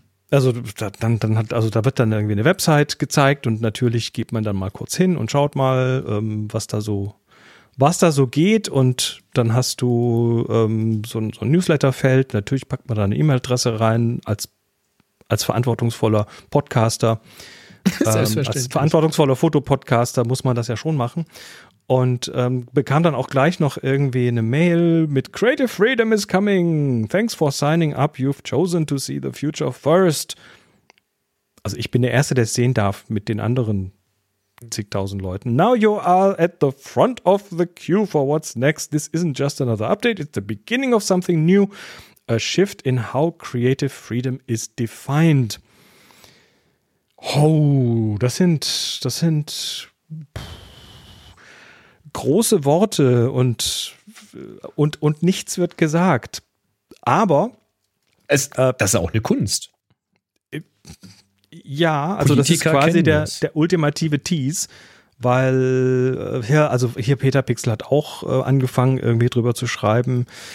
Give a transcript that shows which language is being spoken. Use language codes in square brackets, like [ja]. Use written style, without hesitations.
[de] Also dann hat, also da wird dann irgendwie eine Website gezeigt und natürlich geht man dann mal kurz hin und schaut mal, was da so geht, und dann hast du so ein Newsletter-Feld, natürlich packt man da eine E-Mail-Adresse rein als verantwortungsvoller Podcaster. Selbstverständlich. Als verantwortungsvoller Fotopodcaster muss man das ja schon machen. Und bekam dann auch gleich noch irgendwie eine Mail mit [en] Creative Freedom is coming. Thanks for signing up. You've chosen to see the future first. [de] Also ich bin der Erste, der es sehen darf mit den anderen zigtausend Leuten. [en] Now you are at the front of the queue for what's next. This isn't just another update. It's the beginning of something new. A shift in how creative freedom is defined. [de] Oh, das sind große Worte und nichts wird gesagt. Aber das ist auch eine Kunst. Ja, also Politiker, das ist quasi der ultimative Tease, weil hier Peter Pixel hat auch angefangen, irgendwie drüber zu schreiben.